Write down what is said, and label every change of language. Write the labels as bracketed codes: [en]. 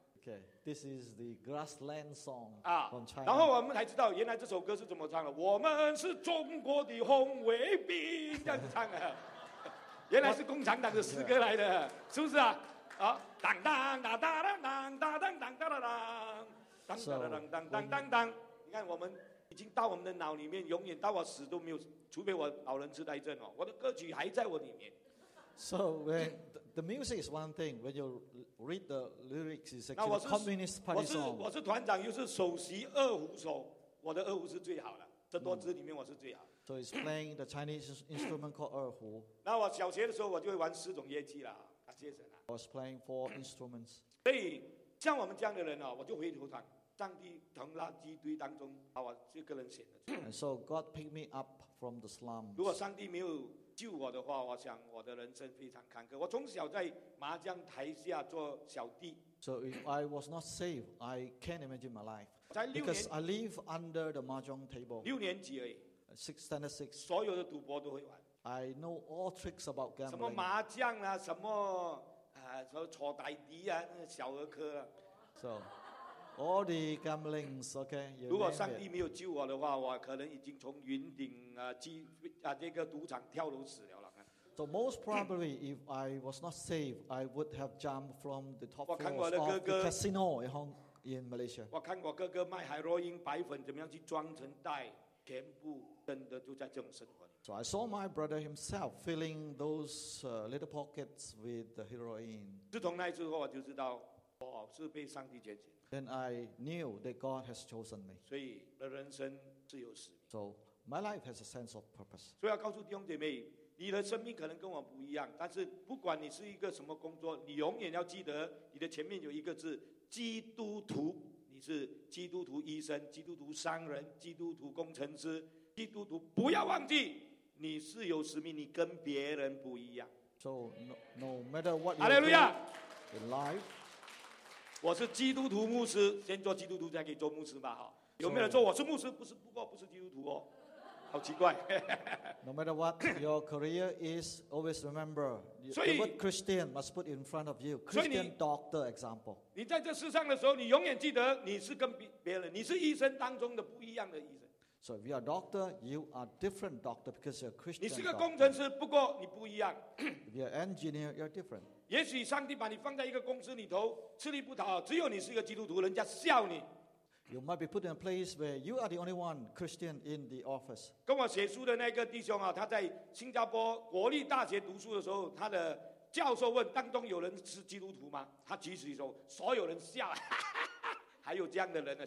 [en] ？Okay, this is the grassland song [zh] 啊。然后我们才知道，原来这首歌是怎么唱的。我们是中国的红卫兵，这样子唱的。原来是共产党的诗歌来的，是不是啊？啊，当当当当当当当当当当当当当当当当当当当，你看我们已经到我们的脑里面，永远到我死都没有，除非我老人痴呆症哦，我的歌曲还在我里面。 [en] So when the music is one thing, when you read the lyrics, it's actually a communist party song. [zh] 我是团长，又是首席二胡手，我的二胡是最好的，这多支里面我是最好。 [en] So he's playing the Chinese instrument called 二胡。 [zh] 那我小学的时候我就会玩四种乐器了，感谢神啊。 [en] I was playing four instruments. [zh] 所以像我们这样的人我就回头看，上帝从垃圾堆当中把我这个人选了出来。 [en] And so God picked me up from the slums. [zh] 如果上帝没有救我的话，我想我的人生非常坎坷。我从小在麻将台下做小弟。 [en] So if I was not saved, I can't imagine my life. [zh] 在六年 [en] because I live under the mahjong table. [zh] 六年级而已。 [en] 6 standard 6. [zh] 所有的赌博都会玩。 [en] I know all tricks about gambling. [zh] 什么麻将啊，什么什么搓大底啊，小儿科啊。 [en] So, all the gamblings, okay? [zh] 如果上帝没有救我的话，我可能已经从云顶这个赌场跳楼死了。 [en] So most probably, if I was not saved, I would have jumped from the top floor of the casino at home in Malaysia. [zh] 我看我哥哥卖海洛因白粉，怎么样去装成袋。 [en] So I saw my brother himself filling those little pockets with the heroin. [zh] 自从那之后，我就知道我是被上帝拣选。 [en] Then I knew that God has chosen me. [zh] 所以，人生是有使命。 [en] So my life has a sense of purpose. [zh] 所以要告诉弟兄姐妹，你的生命可能跟我不一样，但是不管你是一个什么工作，你永远要记得你的前面有一个字：基督徒。你是基督徒医生，基督徒商人，基督徒工程师，基督徒不要忘记你是有使命，你跟别人不一样。 [en] So no matter what you're doing in life, [zh] 我是基督徒牧师，先做基督徒再可以做牧师吧。有没有人说我是牧师，不是，不过不是基督徒哦，好奇怪。 [en] No matter what your career is, always remember the word Christian must put in front of you. Christian doctor example. [zh] 你在这世上的时候，你永远记得你是跟别人，你是医生当中的不一样的医生。 [en] So if you are a doctor, you are different doctor because you're a Christian. [zh] 你是个工程师，不过你不一样。 [en] If you're an engineer, you're different. [zh] 也许上帝把你放在一个公司里头，吃力不讨好，只有你是一个基督徒，人家笑你。 [en] You might be put in a place where you are the only one Christian in the office. [zh] 跟我写书的那个弟兄啊，他在新加坡国立大学读书的时候，他的教授问当中有人是基督徒吗？他举手说，所有人笑，哈哈哈哈，还有这样的人呢、啊？